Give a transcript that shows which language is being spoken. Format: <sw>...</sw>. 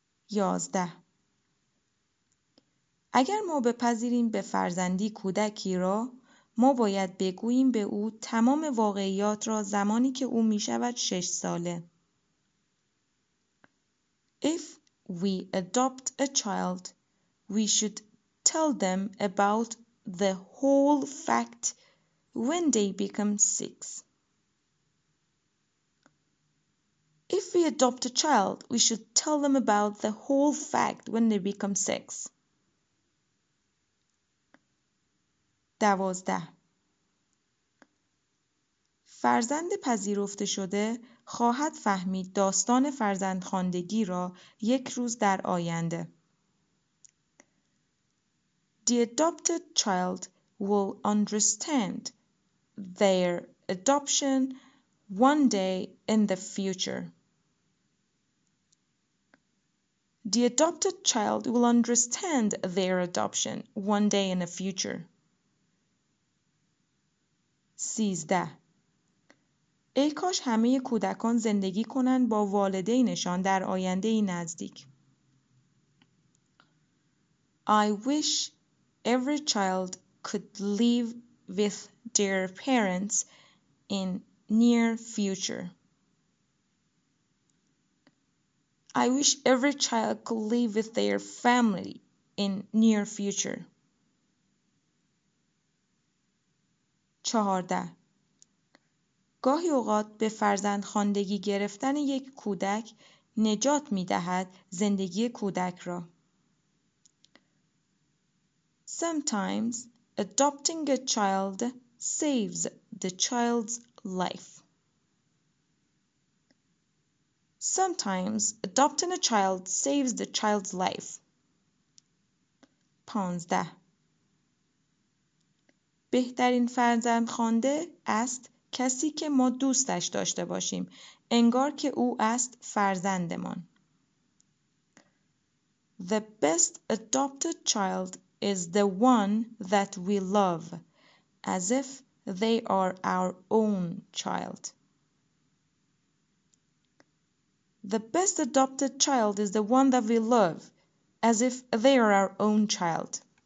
<fa>11. اگر ما بپذیریم به فرزندی کودکی را، ما باید بگوییم به او تمام واقعیات را زمانی که او می شود 6 ساله.</fa> <en>If we adopt a child, we should tell them about the whole fact when they become 6. If we adopt a child, we should tell them about the whole fact when they become 6. 12.</en> <fa>فرزند پذیرفته شده خواهد فهمید داستان فرزندخواندگی را یک روز در آینده.</fa> <en>The adopted child will understand their adoption one day in the future. The adopted child will understand their adoption one day in the future. 13.</en> <fa>ای کاش همه کودکان زندگی کنند با والدینشان در آینده ای نزدیک.</fa> <en>I wish every child could live with their parents in near future. I wish every child could live with their family in near future. 14.</en> <fa>گاهی اوقات به فرزند خواندگی گرفتن یک کودک نجات می دهد زندگی کودک را.</fa> <en>Sometimes adopting a child saves the child's life. Sometimes adopting a child saves the child's life. 15.</en> <fa>بهترین فرزند خوانده است کسی که ما دوستش داشته باشیم، انگار که او است فرزندمان.</fa> <en>The best adopted child is the one that we love, as if they are our own child. The best adopted child is the one that we love, as if they are our own child.</en>